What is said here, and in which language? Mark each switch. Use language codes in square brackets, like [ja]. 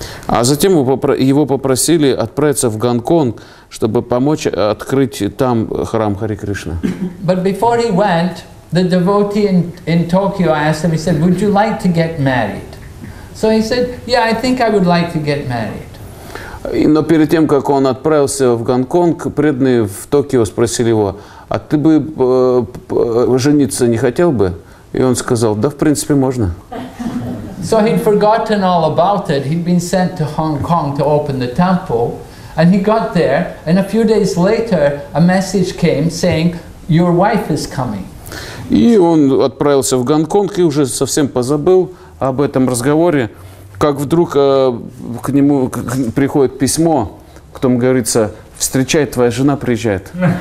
[ru] А затем его попросили отправиться в Гонконг, чтобы помочь открыть там храм Хари Кришна. [en] But before he went, the devotee in Tokyo asked him. He said, "Would you like to get married?" So he said, "Yeah, I think I would like to get married." [ru] Но перед тем, как он отправился в Гонконг, преданные в Токио спросили его: "А ты бы жениться не хотел бы?" И он сказал: "Да, в принципе, можно." [en] So he'd forgotten all about it. He'd been sent to Hong Kong to open the temple, and he got there. And a few days later, a message came saying, "Your wife is coming." [ru] И он отправился в Гонконг и уже совсем позабыл об этом разговоре, как вдруг к нему приходит письмо, в котором говорится: "Встречай, твоя жена приезжает."